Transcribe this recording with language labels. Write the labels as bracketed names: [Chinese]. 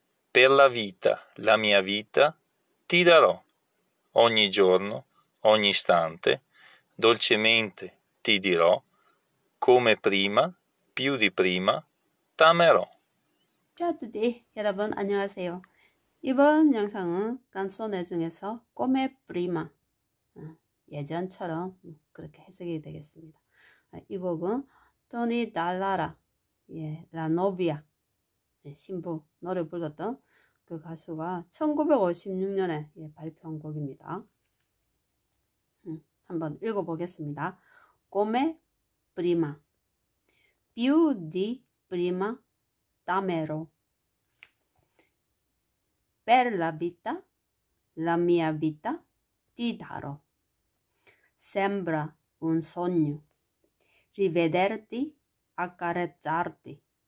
[Italian] Per la vita, la mia vita, ti darò. Ogni giorno, ogni istante, dolcemente ti dirò, come prima, più di prima, t'amerò. Ciao a tutti, [Korean] 여러분, 안녕하세요. 이번 영상은 canzone 중에서 come prima, 예전처럼 그렇게 해석이 되겠습니다. 이 곡은 Tony Dallara, 예, La Novia, 예, 신부, 노래 불렀던 그 가수가 1956년에 예, 발표한 곡입니다. 한번 읽어보겠습니다. [Italian] Come prima, più di prima, t'amerò. Per la vita, la mia vita, ti darò. Sembra un sogno. Rivederti, accarezzarti.